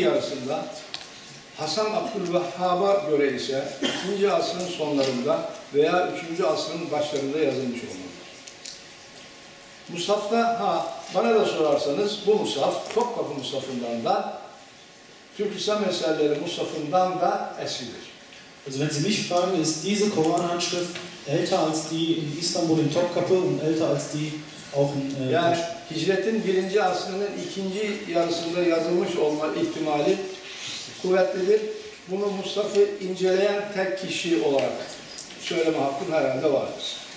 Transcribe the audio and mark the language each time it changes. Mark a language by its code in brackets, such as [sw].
[tr] yarısında Hasan Abdülvehhab'a göre ise 2. asrın sonlarında veya 3. asrın başlarında yazılmış olmalıdır. Musaf'ta, bana da sorarsanız bu musaf, Topkapı Musaf'ından da, Türk İslam Eserleri Musaf'ından da eskidir. [de] Also wenn Sie mich fragen, ist diese Koran-Handschrift älter als die in Istanbul in Topkapı und älter als die auch in... [tr] Yani Hicret'in 1. asrının 2. yarısında yazılmış olma ihtimali kuvvetlidir. Bunu Musaf'ı inceleyen tek kişi olarak söyleme hakkım herhalde vardır.